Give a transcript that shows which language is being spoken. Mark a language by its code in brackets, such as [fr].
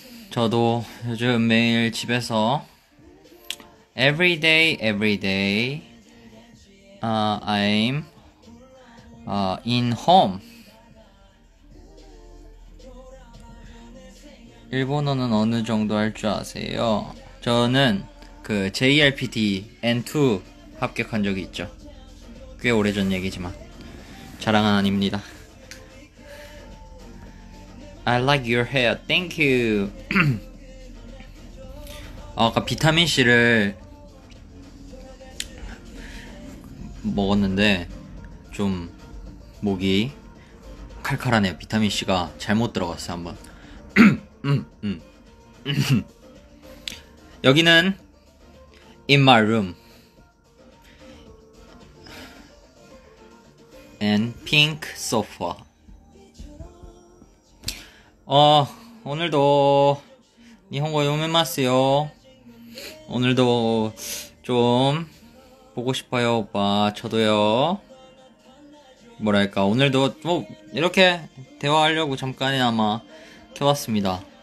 [ko] 저도 요즘 매일 집에서 [en] every day, I'm in home. [ko] 일본어는 어느 정도 할 줄 아세요? 저는 그 JLPT N2 합격한 적이 있죠. 꽤 오래전 얘기지만 자랑은 아닙니다. [en] I like your hair. Thank you. [ko] 아까 비타민C를 먹었는데 좀 목이 칼칼하네요. 비타민C가 잘못 들어갔어요. 한번. 여기는 [en] in my room and pink sofa. [ko] 오늘도 [ja] 니혼고 요메마스요. [ko] 오늘도 좀 보고 싶어요 오빠. 저도요. 뭐랄까, 오늘도 뭐 이렇게 대화하려고 잠깐이나마 켜봤습니다.